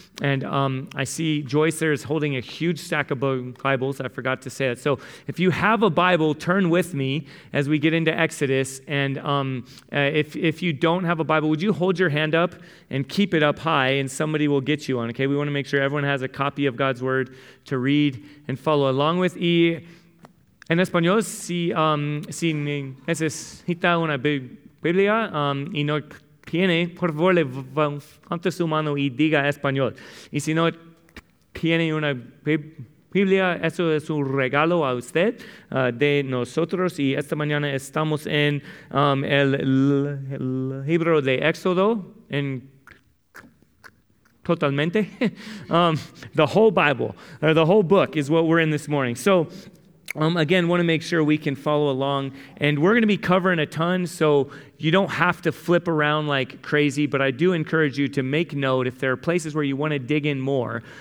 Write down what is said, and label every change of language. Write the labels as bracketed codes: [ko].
[en] And I see Joyce there is holding a huge stack of Bibles. I forgot to say that. So if you have a Bible, turn with me as we get into Exodus. And if you don't have a Bible, would you hold your hand up and keep it up high and somebody will get you one, okay? We want to make sure everyone has a copy of God's Word to read and follow along with. [es] Y en español, si necesita una Biblia y no tiene, por favor, levante su mano y diga español. Y si no tiene una Biblia, eso es un regalo a usted de nosotros. Y esta mañana estamos en el libro de Éxodo, en totalmente. [en] the whole Bible, or the whole book is what we're in this morning. So, again, want to make sure we can follow along, and we're going to be covering a ton, so you don't have to flip around like crazy, but I do encourage you to make note if there are places where you want to dig in more.